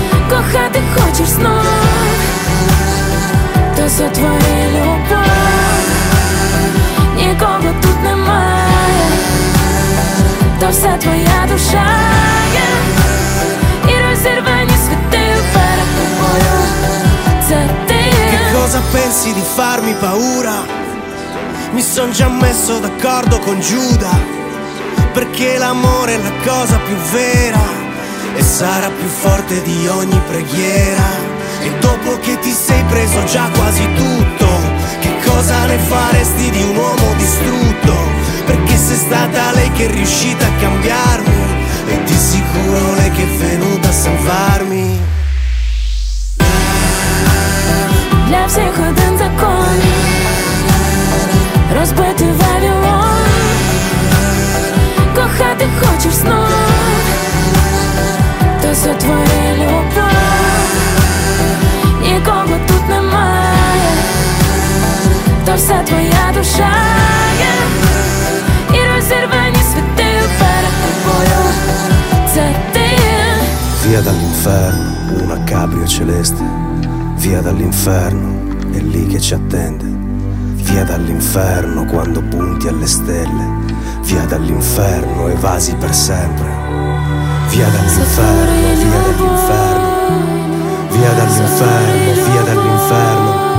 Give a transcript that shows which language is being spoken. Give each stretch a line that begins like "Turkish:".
Ukrainian: Кохати хочеш знов, то сотвори любов. Нікого тут немає, то вся твоя душа є. І розірвані світи перед тобою, це ти.
Italian: Che cosa pensi di farmi paura? Mi son già messo d'accordo con Giuda, perché l'amore è la cosa più vera e sarà più forte di ogni preghiera. E dopo che ti sei preso già quasi tutto, che cosa ne faresti di un uomo distrutto? Perché sei stata lei che è riuscita a cambiarmi, e di sicuro lei che è venuta a salvarmi.
Ukrainian: Для всіх один закон, розбити Вавилон. Кохати хочеш знов, то сотвори любов. Нікого тут немає, то вся твоя душа є. І розірвані світи перед тобою, це ти.
Italian: Via dall'inferno, una cabrio celeste. Via dall'inferno, è lì che ci attende. Via dall'inferno quando punti alle stelle. Via dall'inferno evasi per sempre. Via dall'inferno, via dall'inferno. Via dall'inferno, via dall'inferno.